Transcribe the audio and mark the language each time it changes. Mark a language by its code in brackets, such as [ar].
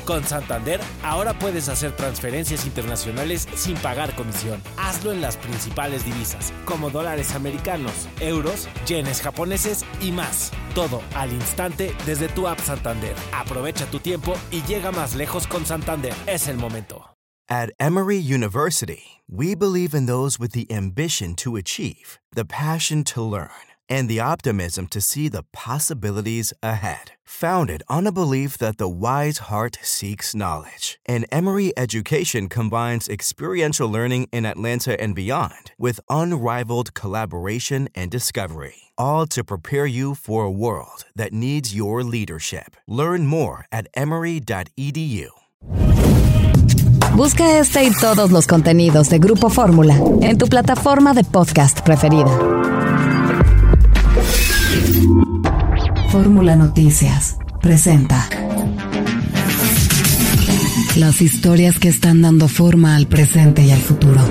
[es] Con Santander, ahora puedes hacer transferencias internacionales sin pagar comisión. Hazlo en las principales divisas, como dólares americanos, euros, yenes japoneses y más. Todo al instante desde tu app Santander. Aprovecha tu tiempo y llega más lejos con Santander. Es el momento. [en] At Emory University, we believe in those with the ambition to achieve, the passion to learn, and the optimism to see the possibilities ahead. Founded on a belief that the wise heart seeks knowledge, an Emory education combines experiential learning in Atlanta and beyond with unrivaled collaboration and discovery, all to prepare you for a world that needs your leadership. Learn more at emory.edu. [es] Busca este y todos los contenidos de Grupo Fórmula en tu plataforma de podcast preferida. Fórmula Noticias presenta las historias que están dando forma al presente y al futuro.